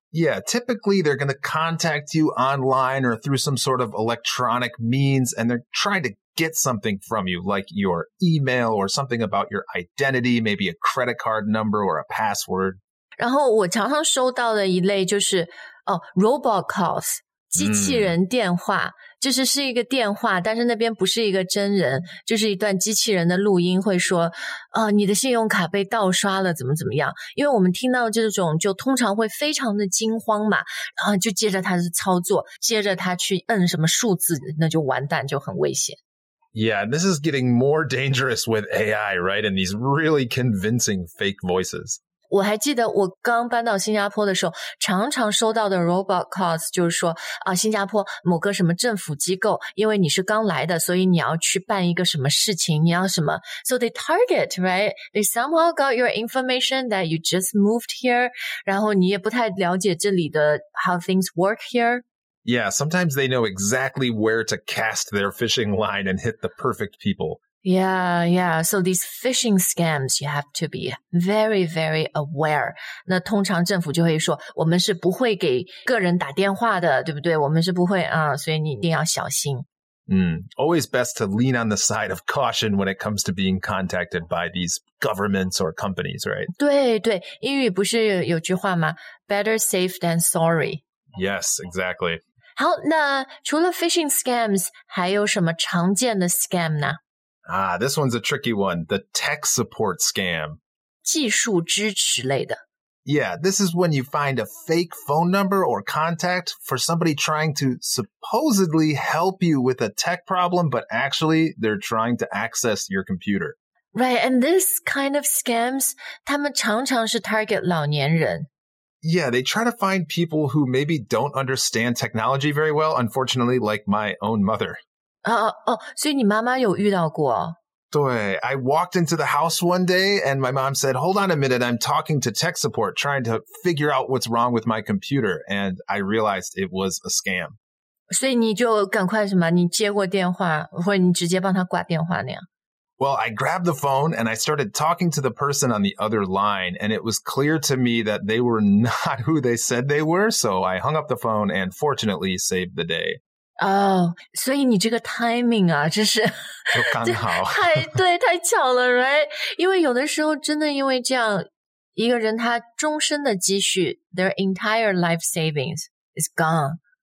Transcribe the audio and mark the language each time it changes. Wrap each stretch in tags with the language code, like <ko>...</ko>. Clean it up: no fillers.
<en>Yeah, typically they're going to contact you online or through some sort of electronic means, and they're trying to get something from you, like your email or something about your identity, maybe a credit card number or a password.</en> <zh>然后我常常收到的一类就是 robot calls, 机器人电话、嗯、就是是一个电话，但是那边不是一个真人，就是一段机器人的录音，会说你的信用卡被盗刷了怎么怎么样。因为我们听到这种就通常会非常的惊慌嘛，然后就接着他的操作，接着他去摁什么数字，那就完蛋，就很危险。</zh> <en>Yeah, this is getting more dangerous with AI, right? And these really convincing fake voices.</en> <zh>我还记得我刚搬到新加坡的时候，常常收到的 robot calls 就是说啊，新加坡某个什么政府机构，因为你是刚来的，所以你要去办一个什么事情，你要什么。</zh> <en>So they target, right? They somehow got your information that you just moved here.</en> <zh>然后你也不太了解这里的</zh> <en>how things work here. Yeah, sometimes they know exactly where to cast their fishing line and hit the perfect people. Yeah, yeah. So these phishing scams, you have to be very, very aware.</en> <zh>那通常政府就会说，我们是不会给个人打电话的，对不对？我们是不会啊，所以你一定要小心。</zh> <en>Always best to lean on the side of caution when it comes to being contacted by these governments or companies, right?</en> <zh>对对，英语不是有句话吗？</zh> <en>Better safe than sorry. Yes, exactly.</en> <zh>好，那除了 phishing scams, 还有什么常见的 scam 呢？</zh> <en>This one's a tricky one. The tech support scam.</en> <zh>技术支持类的。</zh> <en>Yeah, this is when you find a fake phone number or contact for somebody trying to supposedly help you with a tech problem, but actually they're trying to access your computer. Right, and this kind of scams,</en> <zh>他们常常是</zh> <en>target</en> <zh>老年人。</zh> <en>Yeah, they try to find people who maybe don't understand technology very well, unfortunately, like my own mother.</en> <zh>Oh, 所以你妈妈有遇到过？</zh> <en>对, I walked into the house one day and my mom said, hold on a minute, I'm talking to tech support, trying to figure out what's wrong with my computer. And I realized it was a scam.</en> <zh>所以你就赶快什么,你接过电话,或者你直接帮她挂电话那样。</zh> <en>Well, I grabbed the phone and I started talking to the person on the other line, and it was clear to me that they were not who they said they were, so I hung up the phone and fortunately saved the day.</en> <zh>Oh, 所以你这个 timing 啊，这是就刚好太对太巧了 ，</zh> <en>right?</en> <zh>因为有的时候真的因为这样，一个人他终身的积蓄 ，</zh> <en>their entire life savings is gone.</en>